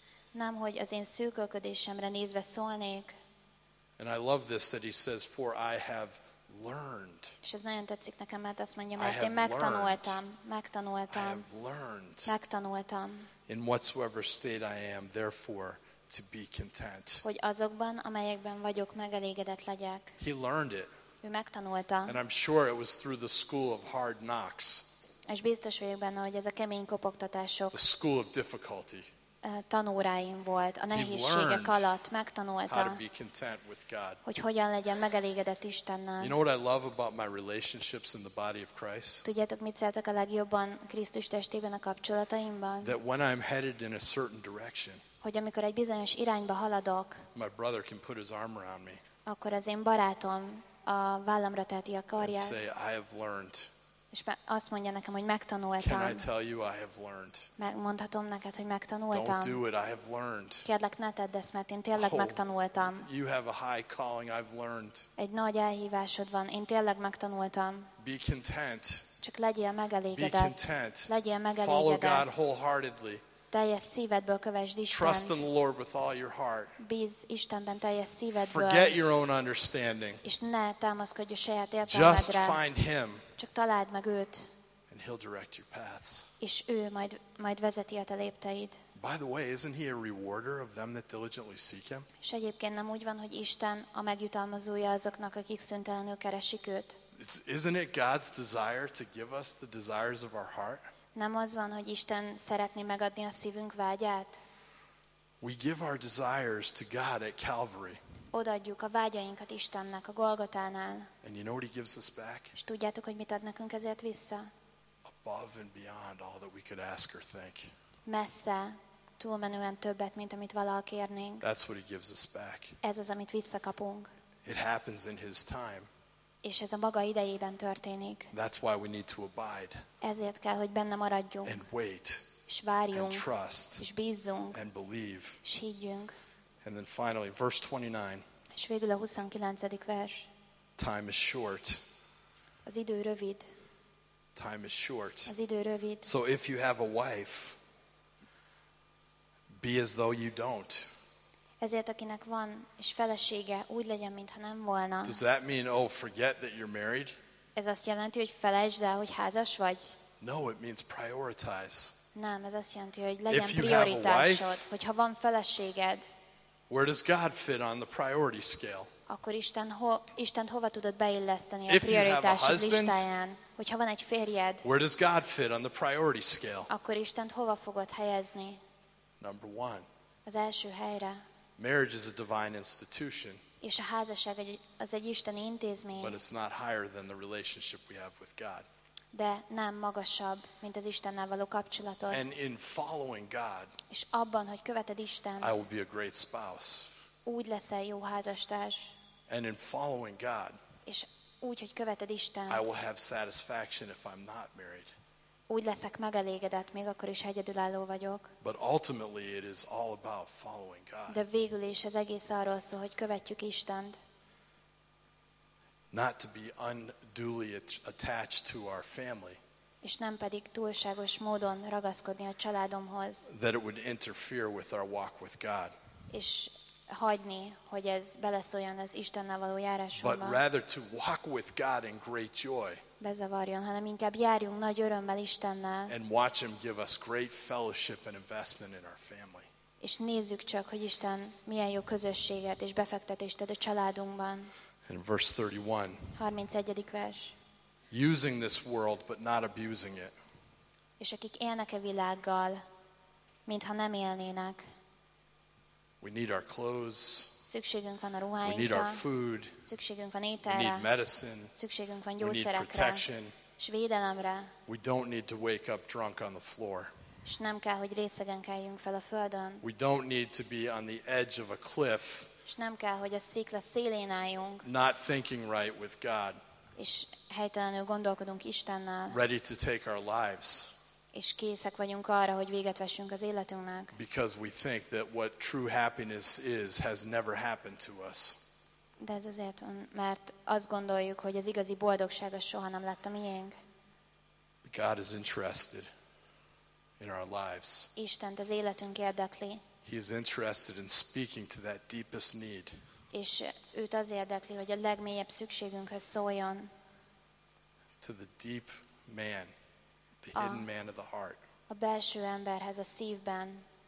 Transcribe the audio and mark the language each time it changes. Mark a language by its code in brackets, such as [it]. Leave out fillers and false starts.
[hu] Nem, hogy az én szűkölködésemre nézve szólnék. [en] And I love this that he says, for I have learned. [hu] És ez nagyon tetszik nekem, mert azt mondja, mert én megtanultam. [en] In whatsoever state I am, therefore to be content. [hu] Hogy azokban, amelyekben vagyok, megelégedett legyek. [en] He learned it. [hu] Ő megtanulta. [en] And I'm sure it was through the school of hard knocks. [hu] És biztos vagyok benne, hogy ez a kemény kopogtatások. [en] The school of difficulty. [hu] Tanóráim volt, a nehézségek alatt megtanulta, hogy hogyan legyen megelégedett Istennel. [en] You know what I love about my relationships in the body of Christ? [hu] Tudjátok, mit szeretek a legjobban Krisztus testében a kapcsolataimban? [en] That when I'm headed in a certain direction, [hu] hogy amikor egy bizonyos irányba haladok, [en] my brother can put his arm around me, [hu] akkor az én barátom a vállamra teheti a karját, [en] and say, I have learned. [hu] És azt mondja nekem, hogy megtanultam. [en] Can I tell you, I have learned. [hu] Megmondhatom neked, hogy megtanultam. [en] Don't do it, I have learned. [hu] Kérlek, ne tedd ezt, mert én tényleg megtanultam. [en] You have a high calling, I've learned. [hu] Egy nagy elhívásod van, én tényleg megtanultam. [en] Be content. [hu] Csak legyél megelégedett. [en] Be content. [hu] Legyél megelégedett. [en] Follow God wholeheartedly. [hu] Teljes szívedből kövesd Istent. [en] Trust in the Lord with all your heart. [hu] Bíz Istenben teljes szívedből. [en] Forget your own understanding. [hu] És ne támaszkodj a saját értelmedre. [en] Just find him. [hu] Csak találd meg őt. [en] And he'll direct your paths. [hu] És ő majd vezeti a te lépteid. [en] By the way, isn't he a rewarder of them that diligently seek him? [hu] És egyébként nem úgy van, hogy Isten a megjutalmazója azoknak, akik szüntelenül keresik őt? [en] Isn't it God's desire to give us the desires of our heart? [hu] Nem az van, hogy Isten szeretné megadni a szívünk vágyát? [en] We give our desires to God at Calvary. [hu] Odaadjuk a vágyainkat Istennek a Golgotánál. [en] And you know what he gives us back? [hu] És tudjátok, hogy mit ad nekünk ezért vissza? [en] Above and beyond all that we could ask or think. [hu] Messze, túlmenően többet, mint amit valaha kérnénk. [en] That's what he gives us back. [hu] Ez az, amit visszakapunk. [en] It happens in his time. [hu] És ez a maga idejében történik. [en] That's why we need to abide. [hu] Ezért kell, hogy benne maradjunk. [en] And wait. [hu] És várjunk. [en] And trust. [hu] És bízzunk. [en] And believe. [hu] És higgyünk. [en] And then finally, verse 29. [hu] És végül a 29. vers. [en] Time is short. [hu] Az idő rövid. [en] Time is short. [hu] Az idő rövid. [en] So if you have a wife, be as though you don't. [hu] Ezért akinek van és felesége, úgy legyen, mintha nem volna. [en] Does that mean, oh, forget that you're married? [hu] Ez azt jelenti, hogy felejtsd el, hogy házas vagy? [en] No, it means prioritize. [hu] Nem, ez azt jelenti, hogy legyen prioritásod, hogyha van feleséged. [en] Where does God fit on the priority scale? [hu] Akkor Isten hova tudod beilleszteni a prioritási listáján? Hogyha van egy férjed. [en] Where does God fit on the priority scale? [hu] Akkor Isten hova fogod helyezni? [en] Number one. [hu] Az első helyre. [en] Marriage is a divine institution. [hu] És a házasság az egy isteni intézmény. [en] But it's not higher than the relationship we have with God. [hu] De nem magasabb, mint az Istennel való kapcsolatod. [en] And in following God, [hu] és abban, hogy követed Istent, [en] I will be a great spouse. [hu] Úgy leszel jó házastárs. [en] And in following God, [hu] és úgy, hogy követed Istent, [en] I will have satisfaction if I'm not married. [hu] Úgy leszek megelégedett, még akkor is egyedülálló vagyok. [en] But ultimately it is all about following God. [hu] De végül is ez egész arról szól, hogy követjük Istent. [en] Not to be unduly attached to our family. [hu] És nem pedig túlságos módon ragaszkodni a családomhoz. [en] That it would interfere with our walk with God. [hu] És hagyni, hogy ez beleszóljon az Istennel való járásunkba. [en] But rather to walk with God in great joy. [hu] Bezavarjon, hanem inkább járjunk nagy örömmel Istennel. [en] And watch him give us great fellowship and investment in our family. [hu] És nézzük csak, hogy Isten milyen jó közösséget és befektetést ad a családunkban. [en] In verse 31. [hu] 31. vers. [en] Using this world but not abusing it. [hu] És akik élnek a világgal, mintha nem élnének. [en] We need our clothes. [hu] Szükségünk van a ruháinkra. [en] We need our food. [hu] Szükségünk van ételre. [en] We need medicine. [hu] Szükségünk van gyógyszerekre. [en] We need protection. [hu] És védelemre. [en] We don't need to wake up drunk on the floor. [hu] És nem kell, hogy részegen keljünk fel a földön. [en] We don't need to be on the edge of a cliff. [hu] És nem kell, hogy a szikla szélén álljunk. [en] Not thinking right with God. [hu] És helytelenül gondolkodunk Istennel. [en] Ready to take our lives. [hu] És készek vagyunk arra, hogy véget vessünk az életünknek. [en] Because we think that what true happiness is has never happened to us. [hu] De ez azért, mert azt gondoljuk, hogy az igazi boldogság az soha nem lett a miénk. [en] God is interested in our lives. [hu] Istent az életünk érdekli. [en] He is interested in speaking to that deepest need. [hu] És őt az érdekli, hogy a legmélyebb szükségünkhöz szóljon. [en] To the deep man. The hidden man of the heart. [hu] A belső emberhez, a szívben.